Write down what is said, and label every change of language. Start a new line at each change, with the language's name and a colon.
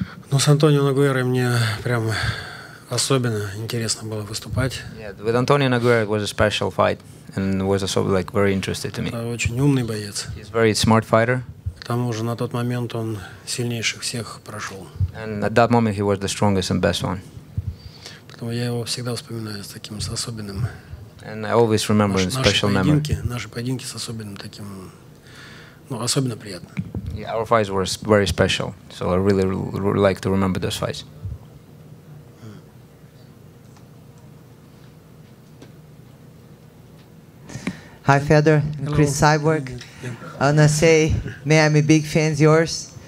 Russian: Ну, с Антонио Ногуэрой мне прям особенно интересно было выступать.
English: Yeah, with Antonio Nogueira it was a special fight and was also like very interesting to me.
Russian: Это очень умный боец.
English: He's a very smart fighter.
Russian: К тому же на тот момент он сильнейших всех прошел.
English: And at that moment he was the strongest and best one.
Russian: Поэтому я его всегда вспоминаю с таким с особенным.
English: And I always remember in special memory.
Russian: Наши поединки с особенным таким, ну, особенно приятно.
English: Yeah, our fights were very special, so I really like to remember those fights. Hi, Fedor. Hello. Chris Cyborg. Yeah. I want to say, man, I'm a big fan of yours.